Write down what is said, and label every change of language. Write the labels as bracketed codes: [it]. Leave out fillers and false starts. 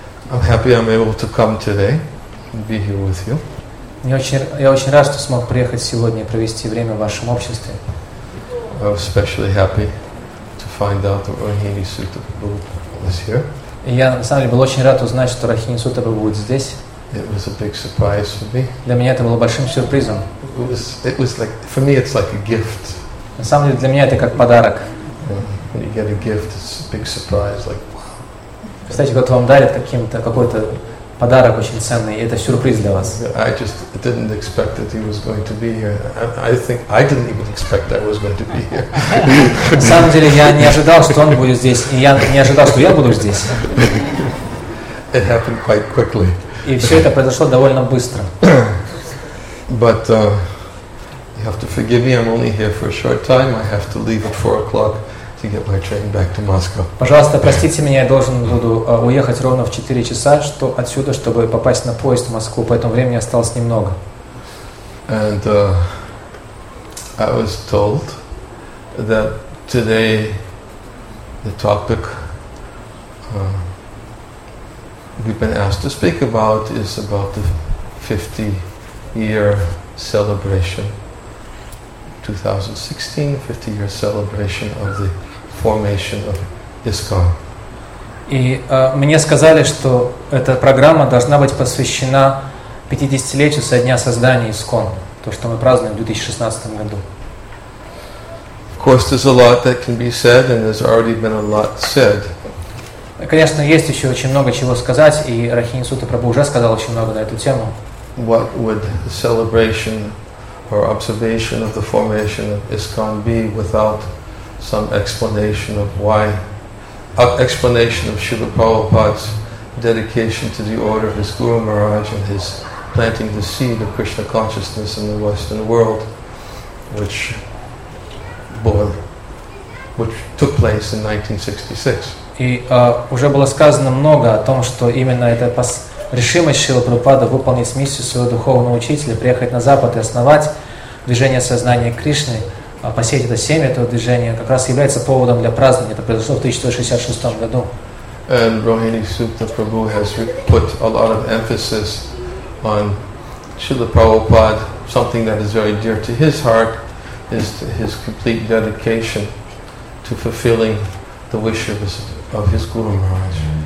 [en] I'm happy I'm able to come today and be here with you. [ru] Я очень рад, что смог приехать сегодня и провести время в вашем обществе. [en] I'm especially happy to find out that Rohini Sutta Prabhu was here. [ru] Я на самом деле был очень рад узнать, что Рохини Сутта Прабху будет здесь. [en] It was a big surprise for me. [ru] Для меня это было большим сюрпризом. [en] It was like, for me it's like a gift. [ru] На самом деле для меня это как подарок. [en] When you get a gift, it's a big surprise, like. [ru] Кстати, кто-то вам дарит каким-то какой-то подарок очень ценный, и это сюрприз для вас. [en] I just didn't expect that he was going to be here. I think I didn't even expect that I was going to be here. [ru] На самом деле, я не ожидал, что он будет здесь, и я не ожидал, что я буду здесь. [en] It happened quite quickly. [ru] И все это произошло довольно быстро. [en] But you have to forgive me. I'm only here for a short time. I have to leave at 4:00. To get my train back to Moscow. [ru] Пожалуйста, простите меня, я должен буду уехать ровно в 4 часа, что отсюда, чтобы попасть на поезд в Москву, поэтому времени осталось немного. [en] And I was told that today the topic we've been asked to speak about is about the 50-year celebration, 2016, 50-year celebration of the formation of ISKCON. [ru] И мне сказали, что эта программа должна быть посвящена 50-летию со дня создания ISKCON, то, что мы празднуем в 2016 году. [en] Of course, there's a lot that can be said, and there's already been a lot said. [ru] Конечно, есть еще очень много чего сказать, и Рохини Сутта Прабху уже сказал очень много на эту тему. [en] What would the celebration or observation of the formation of ISKCON be without some explanation of why, explanation of Srila Prabhupada's dedication to the order of his Guru Maharaj and his planting the seed of Krishna consciousness in the Western world, which took place in 1966. [ru] И уже было сказано много о том, что именно это решимость Шрила Прабхупады выполнить миссию своего духовного учителя, приехать на Запад и основать движение сознания Кришны, посеять это семя этого движения, как раз является поводом для празднования. Это произошло в 1966 году. [en] And Rohini Sutta Prabhu has put a lot of emphasis on Srila Prabhupada, something that is very dear to his heart, is his complete dedication to fulfilling the wish of his Guru Maharaj.